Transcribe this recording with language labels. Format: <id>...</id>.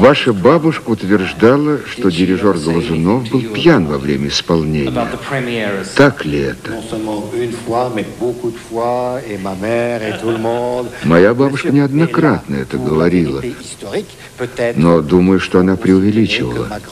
<ru>Ваша бабушка утверждала, что дирижер Глазунов был пьян во время исполнения.</ru> <en>About the premiere.</en> <ru>Так ли это?</ru> <fr>Non seulement une fois, mais beaucoup de fois, et ma mère et tout le monde.</fr> <ru>Моя бабушка неоднократно это говорила. Но думаю, что она преувеличивала.</ru>